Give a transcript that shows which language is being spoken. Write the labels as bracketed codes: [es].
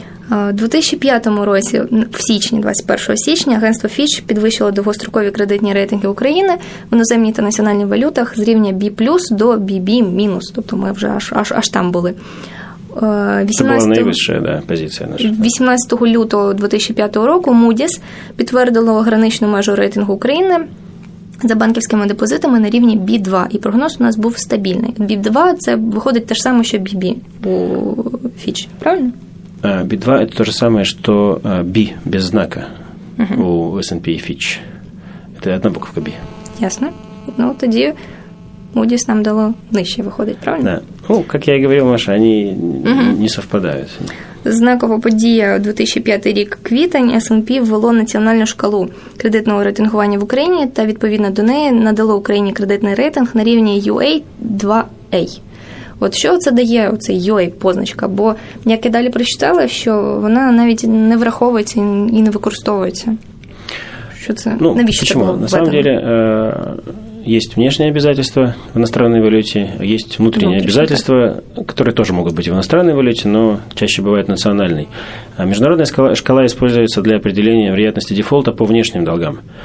[uk] У 2005 році, в січні, 21 січня, агентство Fitch підвищило довгострокові кредитні рейтинги України в іноземній та національній валютах з рівня B+, до BB-. Тобто ми вже аж там були. Це була найвища позиція наша. 18 лютого 2005 року Moody's підтвердило граничну межу рейтингу України за банківськими депозитами на рівні B2. І прогноз у нас був стабільний. B2 – це виходить те ж саме, що BB у Fitch, правильно? B2 – це те ж саме, що B без знака у S&P і Fitch. Це одна буква B. Ясно. Ну, тоді Moody's нам дало нижче, виходить, правильно? [ru] Да. [uk] Ну, як я і говорив, Маша, вони не совпадають. Знакова подія 2005 рік, квітень, S&P ввело національну шкалу кредитного рейтингування в Україні та, відповідно до неї, надало Україні кредитний рейтинг на рівні UA2A. От що це дає, оцей UA-позначка? Бо, як я далі прочитала, що вона навіть не враховується і не використовується. Що це? Ну, навіщо чому? Такого? [ru] На самом деле, есть внешние обязательства в иностранной валюте, есть внутренние обязательства, которые тоже могут быть в иностранной валюте, но чаще бывают национальной. А международная шкала используется для определения вероятности дефолта по внешним долгам.